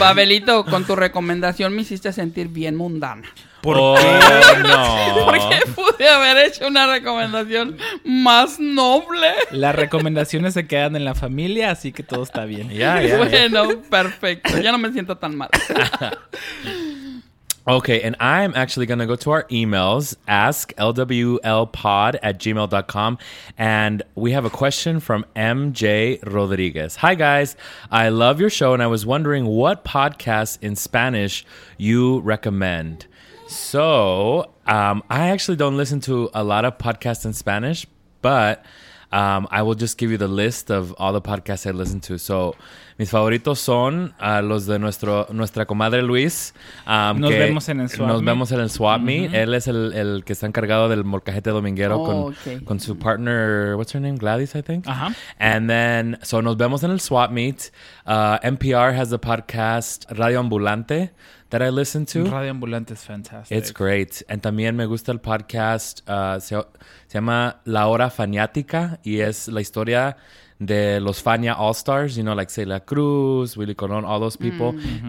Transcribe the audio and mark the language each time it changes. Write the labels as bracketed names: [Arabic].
[Spanish] Babelito, con tu recomendación me hiciste sentir bien mundana. ¿Por qué? ¿Por qué pude haber hecho una recomendación más noble? Las recomendaciones se quedan en la familia, así que todo está bien. Bueno, perfecto. Ya no me siento tan mal. [English] Okay, and I'm actually going to go to our emails, asklwlpod@gmail.com, and we have a question from MJ Rodriguez. Hi, guys. I love your show, and I was wondering what podcasts in Spanish you recommend. So, I actually don't listen to a lot of podcasts in Spanish, but I will just give you the list of all the podcasts I listen to. [Spanish] So, mis favoritos son los de nuestra comadre Luis. Nos vemos en el swap meet. Él es el que está encargado del molcajete dominguero con su partner, [English] what's her name? Gladys, I think. Uh-huh. And then, so nos vemos en el swap meet. NPR has a podcast, Radio Ambulante, that I listen to. Radio Ambulante is fantastic. It's great. And [Spanish] también me gusta el podcast, se llama La Hora Faniática, y es la historia de los Fania All-Stars, [English] you know, like [Spanish] Celia Cruz, Willie Colon, all those people. Mm-hmm.